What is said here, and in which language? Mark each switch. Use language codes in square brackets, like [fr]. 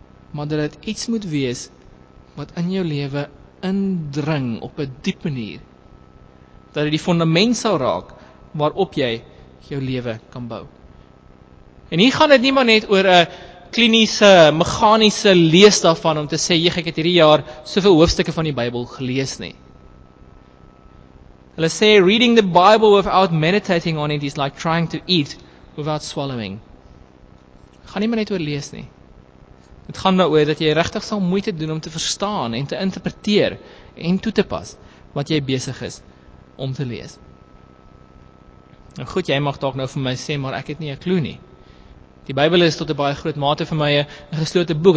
[af] Maar dat dit iets moet wees wat in jou lewe indring op 'n diep manier, dat dit die fondament sal raak waarop jy jou lewe kan bou. En hier gaan dit nie maar net oor 'n kliniese, meganiese lees daarvan om te sê, jy, ek het hierdie jaar soveel hoofstukke van die Bybel gelees nie. Hulle sê, [en] reading the Bible without meditating on it is like trying to eat without swallowing. [af] Gaan nie maar net oor lees nie. Het gaan daaroor dat jy regtig sal moeite doen om te verstaan en te interpreteer en toe te pas wat jy besig is om te lees. Nou goed, jy mag dalk nou vir my sê, maar ek het nie 'n klou nie. Die Bybel is tot 'n baie groot mate vir my 'n geslote boek.